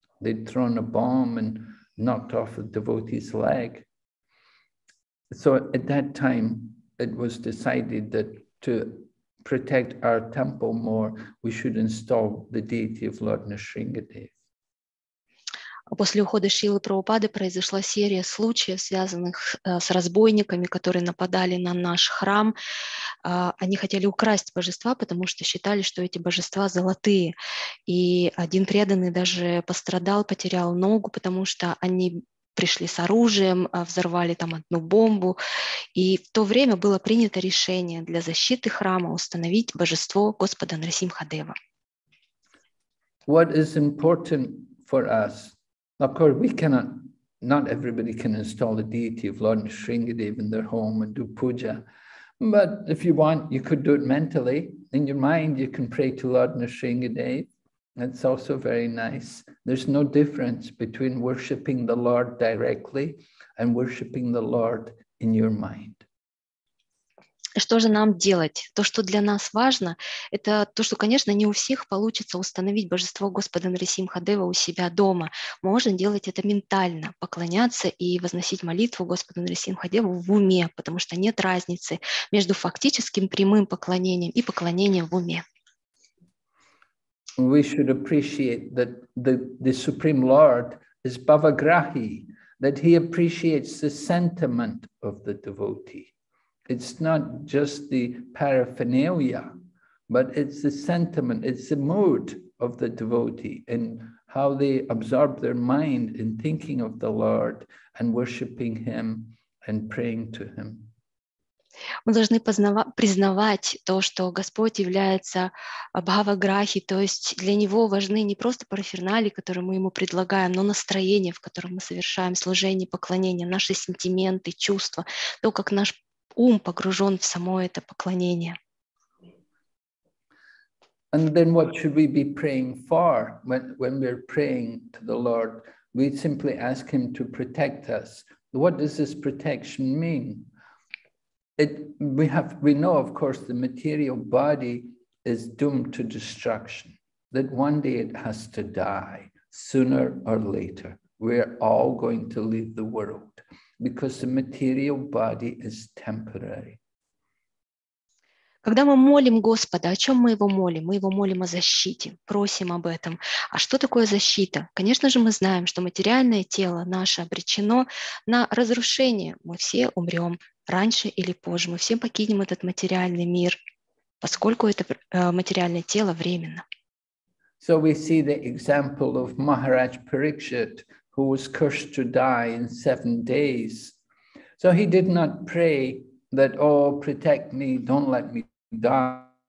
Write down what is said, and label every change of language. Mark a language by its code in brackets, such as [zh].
[en] They'd thrown a bomb and knocked off a devotee's leg. So at that time, it was decided that to protect our temple more, we should install the deity of Lord Nrisingadeva. [ru] После ухода Шрилы Прабхупады произошла серия случаев, связанных с разбойниками, которые нападали на наш храм. Они хотели украсть божества, потому что считали, что эти божества золотые. И один преданный даже пострадал, потерял ногу, потому что они пришли с оружием, взорвали там одну бомбу. И в то время было принято решение для защиты храма установить божество Господа Нрисимхадева. [en] What is important for us? Of course, we cannot, not everybody can install the deity of Lord Nrisingadeva in their home and do puja. But if you want, you could do it mentally. In your mind, you can pray to Lord Nrisingadeva. It's also very nice. There's no difference between worshiping the Lord directly and worshiping the Lord in your mind. [ru] Что же нам делать? То, что для нас важно, это то, что, конечно, не у всех получится установить божество Господа Нрисимхадева у себя дома. Можно делать это ментально, поклоняться и возносить молитву Господу Нрисимхадеву в уме, потому что нет разницы между фактическим прямым поклонением и поклонением в уме. [en] We should appreciate that the Supreme Lord is Bhavagrahi, that he appreciates the sentiment of the devotee. It's not just the paraphernalia, but it's the sentiment, it's the mood of the devotee and how they absorb their mind in thinking of the Lord and worshiping him and praying to him. [ru] Мы должны признавать то, что Господь является Бхаваграхи, то есть для Него важны не просто параферналии, которые мы Ему предлагаем, но настроение, в котором мы совершаем служение, поклонение, наши сентименты, чувства, то, как наш ум погружен в само это поклонение. [en] And then what should we be praying for when we're praying to the Lord? We simply ask Him to protect us. What does this protection mean? We know, of course, the material body is doomed to destruction, that one day it has to die, sooner or later. We're all going to leave the world because the material body is temporary. [ru] Когда мы молим Господа, о чем мы его молим? Мы его молим о защите, просим об этом. А что такое защита? Конечно же, мы знаем, что материальное тело наше обречено на разрушение. Мы все умрем раньше или позже. Мы все покинем этот материальный мир, поскольку это материальное тело временно. [en] So we see the example of Maharaj Parikshit, who was cursed to die in 7 days. So he did not pray that, oh, protect me, don't let me die.